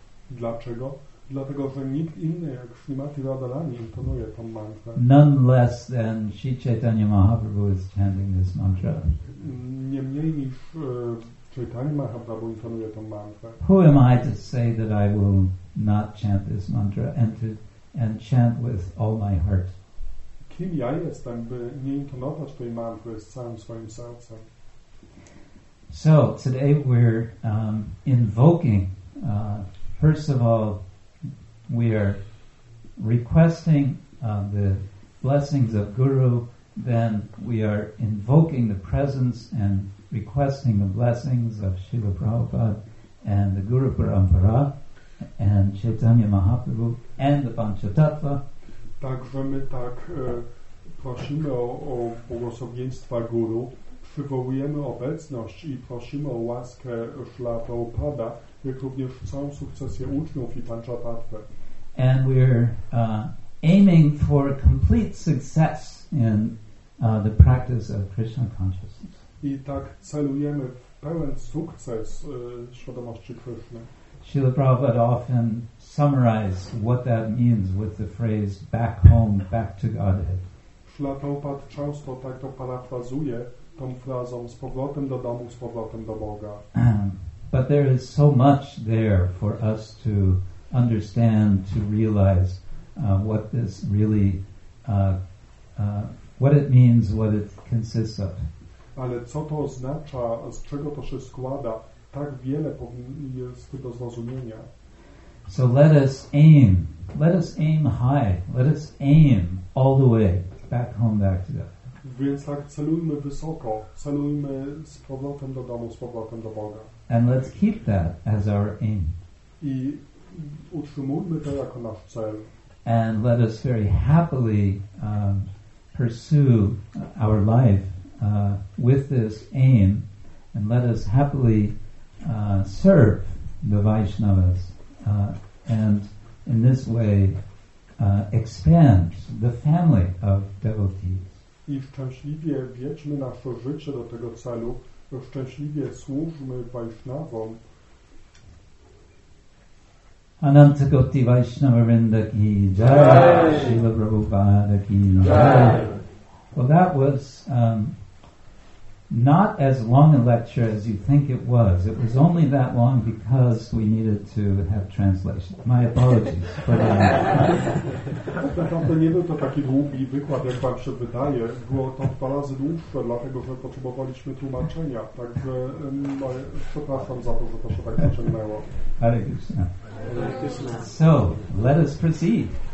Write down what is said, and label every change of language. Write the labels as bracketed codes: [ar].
[pl] Dlaczego? Dlatego, że nikt inny jak Śrīmatī Rādhārāṇī intonuje tą mantrę. [en] None less than Śrī Caitanya Mahāprabhu is chanting this mantra. [pl] Nie mniej niż Caitanya Mahāprabhu intonuje tą mantrę. [en] Who am I to say that I will not chant this mantra and chant with all my heart? [pl] Kim ja jestem, by nie intonować tej mantry z całym swoim sercem? [en] So today we're invoking, first of all, we are requesting the blessings of Guru, then we are invoking the presence and requesting the blessings of Śrīla Prabhupāda and the Guru Parampara and Caitanya Mahāprabhu and the Panchatattva. [pl] Także my tak prosimy o błogosławieństwa Guru. Przywołujemy obecność i prosimy o łaskę Śrīla Prabhupāda, jak również całą sukcesję uczniów i Panchatattwy. [en] And we're aiming for complete success in the practice of Krishna consciousness. [pl] I tak celujemy w pełen sukces świadomości Krishna. [en] Srila Prabhupada often summarized what that means with the phrase back home, back to Godhead. [pl] Srila Prabhupada często tak to parafrazuje tą frazą z powrotem do domu, z powrotem do Boga. [en] But there is so much there for us to understand, to realize what this really what it means, what it consists of. [pl] Ale co to oznacza, z czego to się składa? Tak wiele jest do zrozumienia. [en] So let us aim. Let us aim high. Let us aim all the way back home, back to God. [pl] Więc tak, celujmy wysoko. Celujmy z powrotem do domu, z powrotem do Boga. [en] And let's keep that as our aim. [pl] I utrzymujmy to jako nasz cel. [en] And let us very happily pursue our life with this aim, and let us happily serve the Vaishnavas and in this way expand the family of devotees. [pl] I szczęśliwie wiedźmy nasze życie do tego celu, szczęśliwie służmy Vaishnavom. [hi] Anant Koti Vaishnava Vrinda ki jai, Srila Prabhupada ki jai. [en] Well, that was not as long a lecture as you think it was. It was only that long because we needed to have translation. My apologies for that. [pl] To nie był to taki długi wykład, jak wam się wydaje. Było to dwa razy dłuższe, dlatego że potrzebowaliśmy tłumaczenia. Także przepraszam za to, że to się tak zaciągnęło. [en] Hare Krishna. So, let us proceed.